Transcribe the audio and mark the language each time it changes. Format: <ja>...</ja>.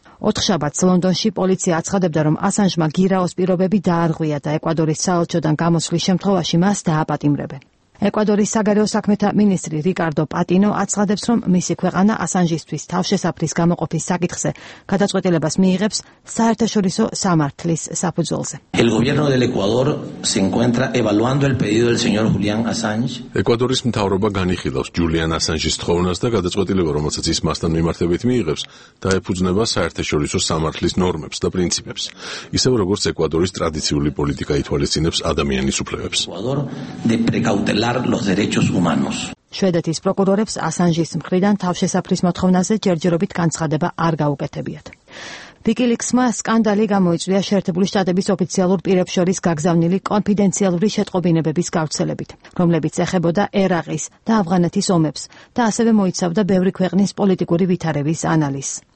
<ka>ოთხშაბათს ლონდონში პოლიცია აცხადებდა, რომ ასანჟმა გირაოს პირობები დაარღვია და ეკვადორის საელჩოდან გამოსვლის შემთხვევაში მას დააპატიმრებენ. ეკვადორის საგარეო საქმეთა მინისტრი რიკარდო პატინო აცხადებს, რომ მისი ქვეყანა ასანჟისთვის თავშესაფრის გამოყოფის საკითხზე გადაწყვეტილებას მიიღებს საერთაშორისო სამართლის საფუძველზე.</ka> <es>El gobierno del Ecuador se encuentra evaluando el pedido del señor Julian Assange.</es> <ka>ეკვადორის მთავრობა განიხილავს ჯულიან ასანჟის თხოვნას და გადაწყვეტილება, რომელსაც ის მასთან მიმართებით მიიღებს, დაეფუძნება საერთაშორისო სამართლის ნორმებს და პრინციპებს, ისევე როგორც ეკვადორის ტრადიციული პოლიტიკა ითვალისწინებს ადამიანის უფლებებს.</ka> <es>Ecuador de precautela los derechos humanos.</es> <ka>შვედეთის პროკურორებს ასანჟის მხრიდან თავშესაფრის მოთხოვნაზე ჯერჯერობით განცხადება არ გაუკეთებიათ. ვიკილიქსმა სკანდალი გამოიწვია შეერთებული შტატების ოფიციალურ პირებს შორის გაგზავნილი კონფიდენციალური შეტყობინებების გავრცელებით, რომლებიც ეხებოდა ერაყის და ავღანეთის ომებს და ასევე მოიცავდა ბევრი ქვეყნის პოლიტიკური ვითარების ანალიზს.</ka>